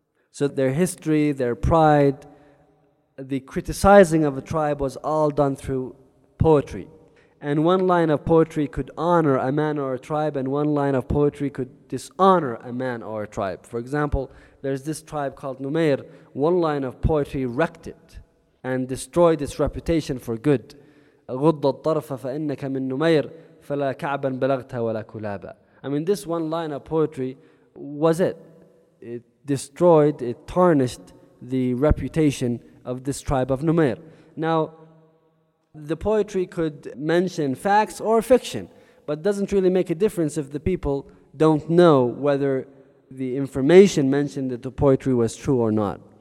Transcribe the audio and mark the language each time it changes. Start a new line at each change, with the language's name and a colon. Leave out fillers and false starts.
English: So their history, their pride, the criticizing of a tribe was all done through poetry. And one line of poetry could honor a man or a tribe, and one line of poetry could dishonor a man or a tribe. For example, there's this tribe called Numair. One line of poetry wrecked it and destroyed its reputation for good.
Arabic: غُضَّ الطَّرْفَ فَإِنَّكَ مِن نُمَيْرِ فَلَا كَعْبًا بَلَغْتَ وَلَا كُلَابًا.
English: I mean, this one line of poetry was it. It destroyed, it tarnished the reputation of this tribe of Numair. Now, the poetry could mention facts or fiction, but doesn't really make a difference if the people don't know whether the information mentioned in the poetry was true or not.